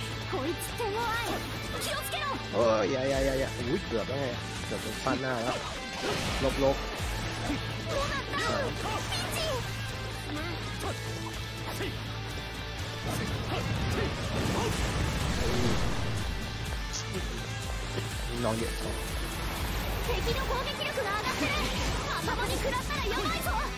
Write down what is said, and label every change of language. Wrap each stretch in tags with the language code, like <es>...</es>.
<ja>こいつ手強い気をつけろ</ja> <th>โอ้ยยยยยอุ้ยเกือบแล้วไงเกือบฟันหน้าแล้วลบลบน้องเยอะโ</th> <ja>ต敵の攻撃力が上がってる頭に食らったらやばいぞ</ja>